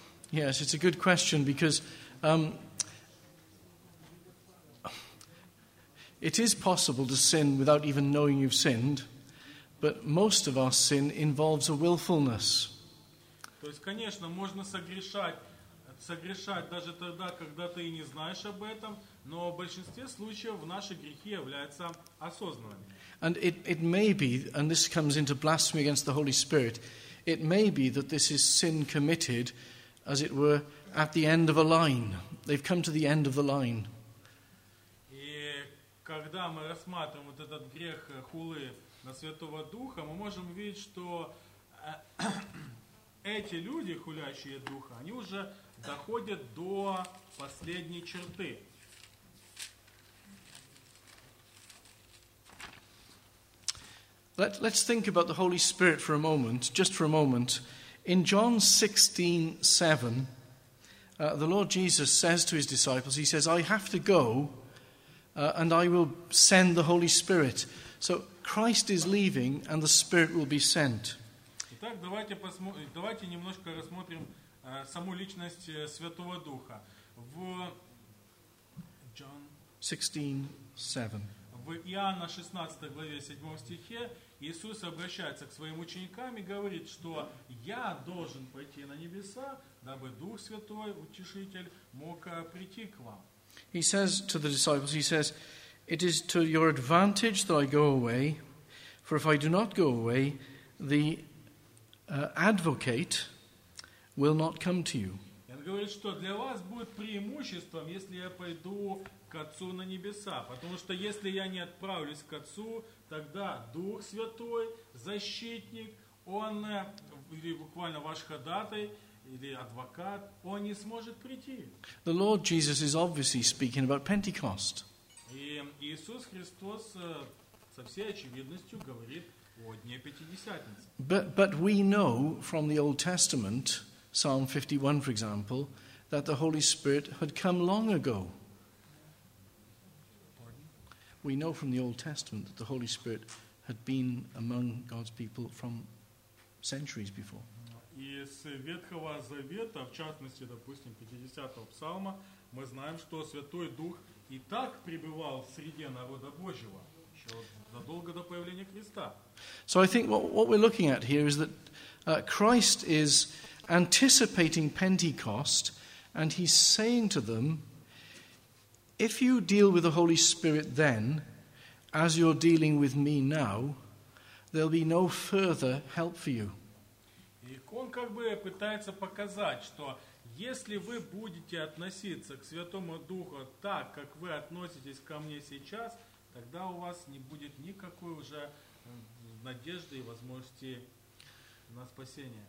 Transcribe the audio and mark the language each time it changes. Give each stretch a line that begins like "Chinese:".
English: Yes, it's a good question, because it is possible to sin without even knowing you've sinned, but most of our sin involves a willfulness.
Russian: То есть, конечно, можно согрешать даже тогда, когда ты не знаешь об этом, но в большинстве случаев наши грехи являются осознанными.
English: And it may be, and this comes into blasphemy against the Holy Spirit, it may be that this is sin committed, as it were, at the end of a line. They've come to the end of the line.
Russian: И когда мы рассматриваем вот этот грех хулы на Святого Духа, мы можем видеть, что эти люди, хулящие Духа, они уже доходят до последней черты.
English: Let's think about the Holy Spirit for a moment, just for a moment. In John 16:7, the Lord Jesus says to his disciples, he says, I have to go, and I will send the Holy Spirit. So Christ is leaving, and the Spirit will be sent.
Russian: Итак, давайте немножко рассмотрим саму личность Святого Духа. В John 16:7. В Иоанна 16 главе 7 стихе Иисус обращается к своим ученикам и говорит, что я должен пойти на небеса, дабы Дух Святой, Утешитель, мог прийти к вам.
English: He says to the disciples, he says, it is to your advantage that I go away, for if I do not go away, the advocate will not come to you.
Russian: Он говорит, что для вас будет преимуществом, если я пойду к Отцу на небеса, потому что если я не отправлюсь к Отцу, тогда Дух Святой, Защитник, Он, или буквально ваш ходатай, или адвокат, Он не сможет прийти.
English: The Lord Jesus is obviously speaking about Pentecost.
Russian: И Иисус Христос со всей очевидностью говорит о Дне Пятидесятницы.
English: But we know from the Old Testament, Psalm 51, for example, that the Holy Spirit had come long ago. We know from the Old Testament that the Holy Spirit had been among God's people from centuries before.
Russian: Из Ветхого Завета, в частности, допустим, 50-го псалма, мы знаем, что Святой Дух и так пребывал среди народа Божьего еще задолго до появления Христа.
English: So I think what we're looking at here is that Christ is anticipating Pentecost, and he's saying to them, if you deal with the Holy Spirit then, as you're dealing with me now, there'll be no further help for you.
Russian: И он как бы пытается показать, что если вы будете относиться к Святому Духу так, как вы относитесь ко мне сейчас, тогда у вас не будет никакой уже надежды и возможности на спасение.